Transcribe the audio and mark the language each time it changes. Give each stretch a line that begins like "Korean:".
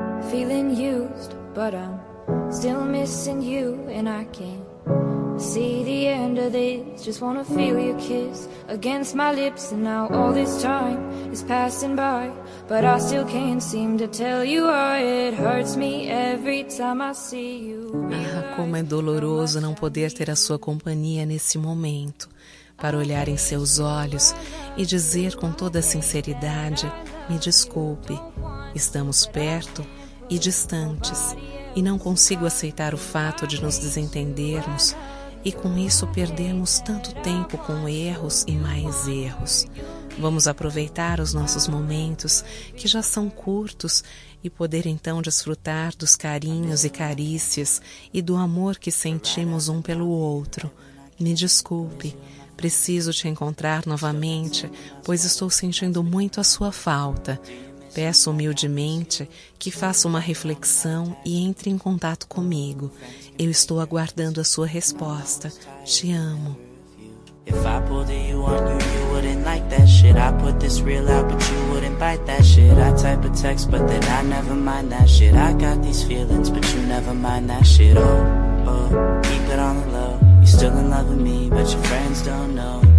English: feeling used, but I'm still missing you, and I can't see the end of this. Just wanna feel your kiss against my lips, and now all this time is passing by, but I still can't seem to tell you why. It hurts me every time I see you.
Portuguese: Ah, como é doloroso não poder ter a sua companhia nesse momento, para olhar em seus olhos e dizer com toda a sinceridade: me desculpe, estamos perto e distantes, e não consigo aceitar o fato de nos desentendermos e com isso perdermos tanto tempo com erros e mais erros. Vamos aproveitar os nossos momentos, que já são curtos, e poder então desfrutar dos carinhos e carícias e do amor que sentimos um pelo outro. Me desculpe, preciso te encontrar novamente, pois estou sentindo muito a sua falta. Peço humildemente que faça uma reflexão e entre em contato comigo. Eu estou aguardando a sua resposta. Te amo.
English: If I pulled a U on you, you wouldn't like that shit. I put this real out, but you wouldn't bite that shit. I type a text, but then I never mind that shit. I got these feelings, but you never mind that shit. Oh, oh, keep it on the low. You're still in love with me, but your friends don't know.